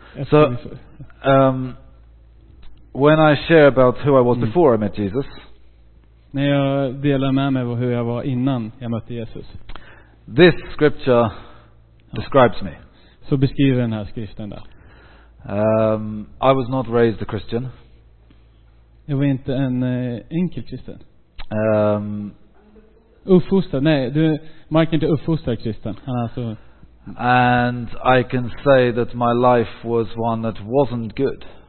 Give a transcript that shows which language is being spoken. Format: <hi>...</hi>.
<en>So, when I share about who I was before I met Jesus.</en> <sv>När jag delar med mig hur jag var innan jag mötte Jesus.</sv> <en>This scripture describes me.</en> <sv>Så beskriver den här skriften där.</sv> <en>I was not raised a Christian.</en> <sv>Jag var inte en enkel kristen. Uppfostrad, nej, du, Mark är inte uppfostrad kristen.</sv> <en>And I can say that my life was one that wasn't good.</en>